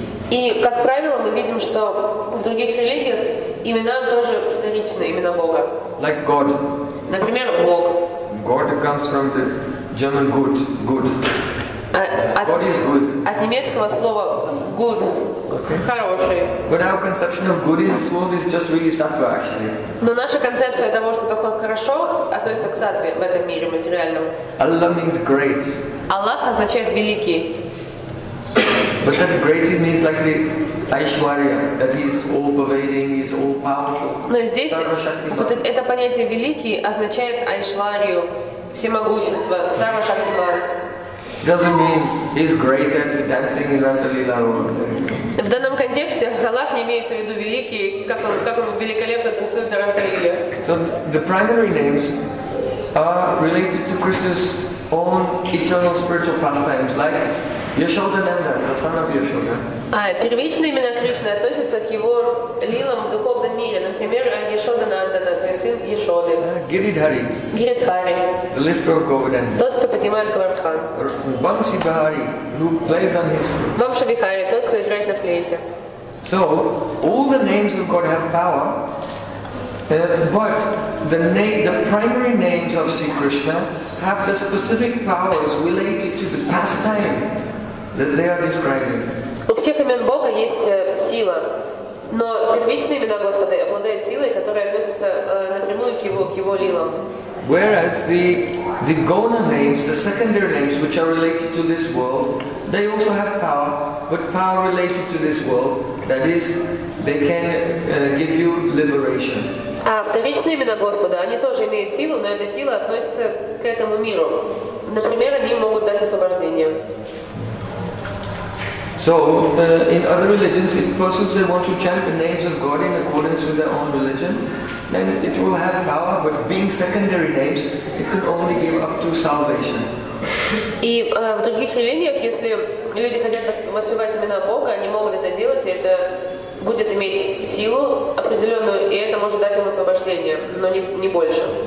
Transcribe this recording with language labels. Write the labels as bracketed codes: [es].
[ru] И как правило мы видим, что в других религиях имена тоже вторичны, имена Бога. [en] Like God. [ru] Например, Бог. [en] God comes from the German gut, good. God is good. [ru] От немецкого слова good, хороший. [en] But our conception of good in this world is just really sattva, actually. [ru] Но наша концепция того, что такое хорошо, относится к сатве в этом мире материальном. [en] Allah means great. [ru] Аллах означает великий. [en] But that great means like the Aishwarya, that he's all-pervading, he's all-powerful. [ru] Но здесь вот это понятие великий означает Айшварию, всемогущество, Сарва-Шактиман. [en] Doesn't mean he's great at dancing in Rasa-Lila. [ru] В данном контексте Аллах не имеется в виду великий, как он великолепно танцует на Раса-Лиле. [en] So the primary names are related to Krishna's own eternal spiritual pastimes, like Yashoda Nanda, the son of Yashoda. [ru] Первичные имена Кришны относятся к его лилам в духовном мире. Например, Яшода Нандана, то есть сын Яшоды. Гиридхари. Гиридхари. [en] The lifter of Govardhana. [ru] Тот, кто поднимает Говардхан. [en] Бамси Бахари, who plays on his flute. [ru] Бамши Бихари, тот, кто играет на флейте. [en] So, all the names of God have power, but the primary names of Sri Krishna have the specific powers related to the pastime that they are describing. [ru] У всех имен Бога есть сила, но первичные имена Господа обладают силой, которая относится напрямую к его лилам. [en] Whereas the Gona names, the secondary names, which are related to this world, they also have power, but power related to this world, that is, they can give you liberation. [ru] А вторичные имена Господа, они тоже имеют силу, но эта сила относится к этому миру. Например, они могут дать освобождение. [en] So, in other religions, if persons they want to chant the names of God in accordance with their own religion, then it will have power, but being secondary names, it could only give up to salvation. [ru] И в других религиях, если люди хотят воспевать имена Бога, они могут это делать, и это будет иметь силу определенную, и это может дать им освобождение, но не больше.